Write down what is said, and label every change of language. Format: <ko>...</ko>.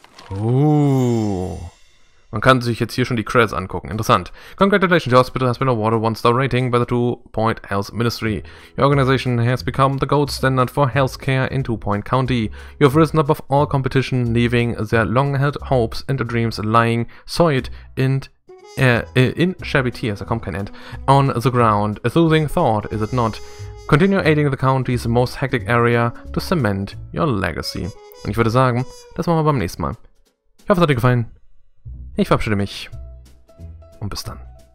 <de>Man kann sich jetzt hier schon die Credits angucken. Interessant.</de> <en>Congratulations, your hospital has been awarded a 1-star rating by the 2-Point Health Ministry. Your organization has become the gold standard for healthcare in 2-Point County. You have risen above all competition, leaving their long-held hopes and dreams lying soiled in shabby tears. I come can end. On the ground. A soothing thought, is it not? Continue aiding the county's most hectic area to cement your legacy.</en> <de>Und ich würde sagen, das machen wir beim nächsten Mal. Ich hoffe, es hat dir gefallen. Ich verabschiede mich und bis dann.</de>